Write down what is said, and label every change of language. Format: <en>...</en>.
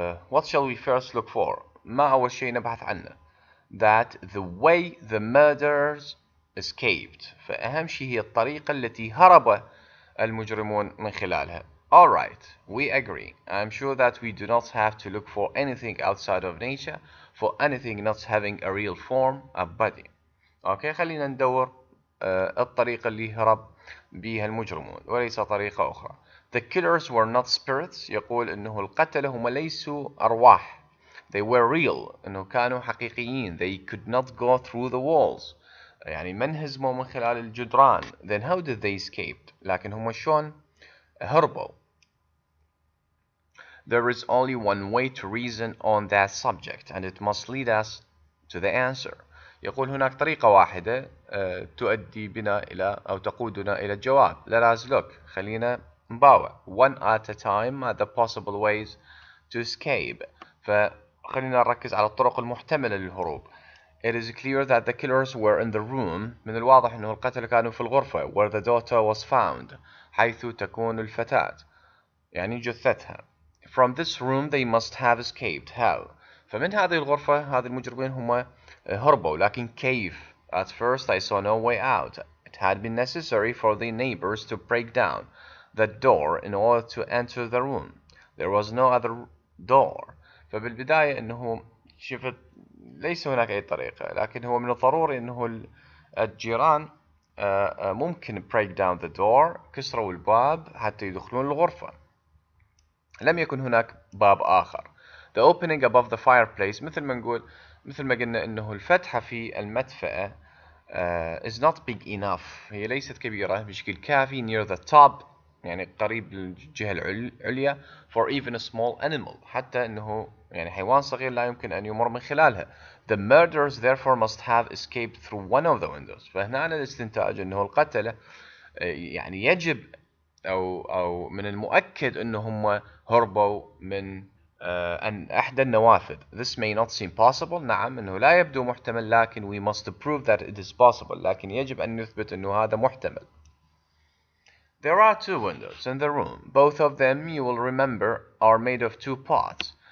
<en>What shall we first look for?</en> <ar>ما أول شيء نبحث عنه؟</ar> <en>That the way the murderers escaped.</en> <ar>فأهم شيء هي الطريقة التي هرب المجرمون من خلالها.</ar> <en>All right, we agree. I'm sure that we do not have to look for anything outside of nature for anything not having a real form, a body.</en> <ar>Okay, خلينا ندور الطريقة اللي هرب بها المجرمون وليس طريقة أخرى.</ar> <en>The killers were not spirits.</en> <ar>يقول أنه القتلة هم ليسوا أرواح.</ar> <en>They were real.</en> <ar>أنه كانوا حقيقيين.</ar> <en>They could not go through the walls.</en> <ar>يعني من هزموا من خلال الجدران.</ar> <en>Then how did they escape?</en> <ar>لكن هم شلون هربوا.</ar> <en>There is only one way to reason on that subject and it must lead us to the answer.</en> <ar>يقول هناك طريقة واحدة تؤدي بنا إلى أو تقودنا إلى الجواب.</ar> <en>Let us look.</en> <ar>خلينا نباوع.</ar> <en>One at a time at the possible ways to escape.</en> <ar>فخلينا نركز على الطرق المحتملة للهروب.</ar> <en>It is clear that the killers were in the room.</en> <ar>من الواضح أنه القتلة كانوا في الغرفة.</ar> <en>Where the daughter was found.</en> <ar>حيث تكون الفتاة. يعني جثتها.</ar> <en>From this room they must have escaped. How?</en> <ar>فمن هذه الغرفة هذه المجرمين هم هربوا. لكن كيف؟</ar> <en>At first I saw no way out. It had been necessary for the neighbors to break down the door in order to enter the room. There was no other door.</en> <ar>فبالبداية انه شفت ليس هناك اي طريقة لكن هو من الضروري انه الجيران ممكن</ar> <en>break down the door</en> <ar>كسروا الباب حتى يدخلون الغرفة. لم يكن هناك باب آخر.</ar> <en>The opening above the fireplace</en> <ar>مثل ما نقول مثل ما قلنا إنه الفتحة في المدفأة</ar> <en>is not big enough</en> <ar>هي ليست كبيرة بشكل كافي</ar> <en>near the top</en> <ar>يعني قريب للجهة العليا</ar> <en>for even a small animal</en> <ar>حتى إنه يعني حيوان صغير لا يمكن أن يمر من خلالها.</ar> <en>The murderers therefore must have escaped through one of the windows.</en> <ar>فهنا أنا الاستنتاج إنه القتلة يعني يجب أو من المؤكد إنهم هربوا من أحد النوافذ.</ar> <en>This may not seem possible.</en> <ar>نعم إنه لا يبدو محتمل لكن</ar> <en>we must prove that it is possible.</en> <ar>لكن يجب أن نثبت إنه هذا محتمل.</ar> <en>There are two windows in the room. Both of them you will remember are made of two parts.</en>